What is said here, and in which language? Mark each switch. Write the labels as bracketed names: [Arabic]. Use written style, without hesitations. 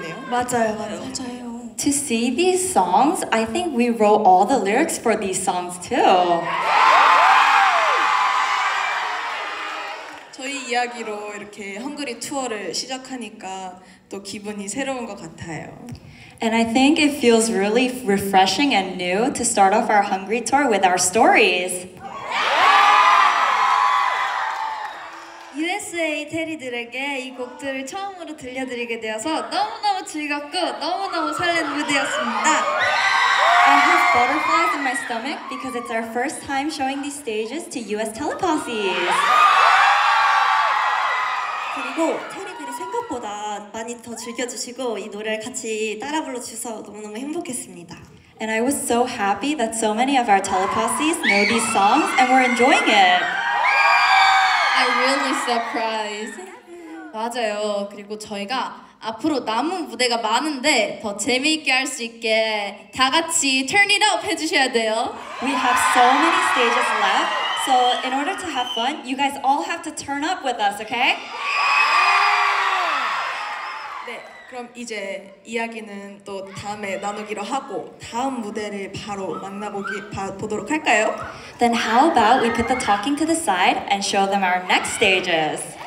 [English] To see these songs, I think we wrote all the lyrics for these songs too. [Korean] 저희 이야기로 이렇게 헝그리 투어를 시작하니까 또 기분이 새로운 것 같아요. [English] And I think it feels really refreshing and new to start off our Hungry tour with our stories. [Korean] USA 테리들에게 이 곡들을 처음으로 들려드리게 되어서 너무너무 즐겁고 너무너무 설레는 무대였습니다. [English] I have butterflies in my stomach because it's our first time showing these stages to US Teleposses. [Korean] 그리고 테리들이 생각보다 많이 더 즐겨주시고 이 노래를 같이 따라 불러주셔서 너무너무 행복했습니다. [English] And I was so happy that so many of our Teleposses know these songs and were enjoying it. I'm really surprised. [Korean] 맞아요. 그리고 저희가 앞으로 남은 무대가 많은데 더 재미있게 할 수 있게 다 같이 [English] turn it up [Korean] 해주셔야 돼요. [English] We have so many stages left, so in order to have fun, you guys all have to turn up with us, okay? Yeah! [Korean] 네, 그럼 이제 이야기는 또 다음에 나누기로 하고 다음 무대를 바로 보도록 할까요? [English] Then how about we put the talking to the side and show them our next stages?